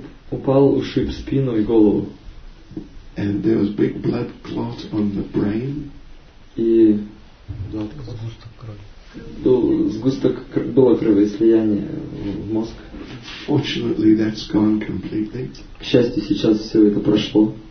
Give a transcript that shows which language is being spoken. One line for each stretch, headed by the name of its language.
Russian: Упал, ушиб спину и голову.
English: And there was big blood clot on the brain.
Russian: И
English: blood clot.
Russian: сгусток было кровоизлияние в мозг.
English: Fortunately, that's gone completely.
Russian: К счастью, сейчас все это прошло.